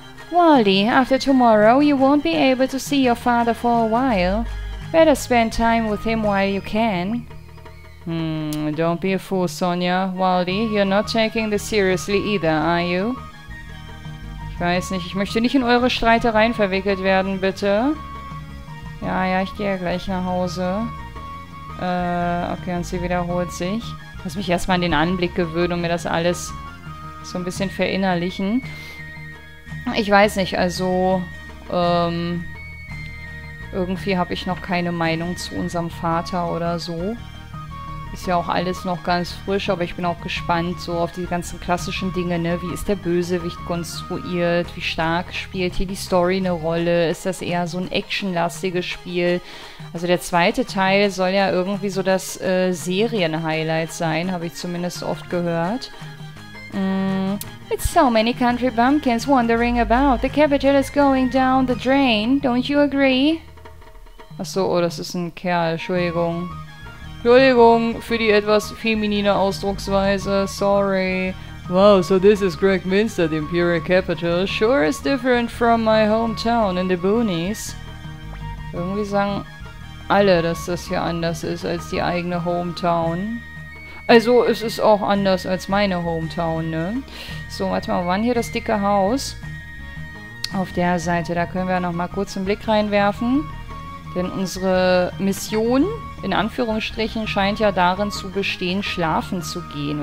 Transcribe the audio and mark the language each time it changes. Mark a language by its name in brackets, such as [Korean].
[English] Waldi, after tomorrow you won't be able to see your father for a while. Better spend time with him while you can. Don't be a fool, Sonia. Waldi, you're not taking this seriously either, are you? [German] Ich weiß nicht, ich möchte nicht in eure Streitereien verwickelt werden, bitte. Ja, ich gehe ja gleich nach Hause. Okay, und sie wiederholt sich. Lass mich erstmal an den Anblick gewöhnen und mir das alles so ein bisschen verinnerlichen. Ich weiß nicht, also irgendwie habe ich noch keine Meinung zu unserem Vater oder so. Ist ja auch alles noch ganz frisch, aber ich bin auch gespannt so auf die ganzen klassischen Dinge, ne? Wie ist der Bösewicht konstruiert? Wie stark spielt hier die Story eine Rolle? Ist das eher so ein actionlastiges Spiel? Also der zweite Teil soll ja irgendwie so das Serienhighlight sein, habe ich zumindest oft gehört. [English] It's so many country bumpkins wandering about. The capital is going down the drain. Don't you agree? [German] Achso, oh, das ist ein Kerl. Entschuldigung. Entschuldigung für die etwas feminine Ausdrucksweise. Sorry. [English] Wow, so this is Kirkminster, the Imperial Capital. Sure is different from my hometown in the boonies. [German] Irgendwie sagen alle, dass das hier anders ist als die eigene Hometown. Also, es ist auch anders als meine Hometown, ne? So, warte mal, wann hier das dicke Haus? Auf der Seite, da können wir noch mal kurz einen Blick reinwerfen. Denn unsere Mission, in Anführungsstrichen, scheint ja darin zu bestehen, schlafen zu gehen.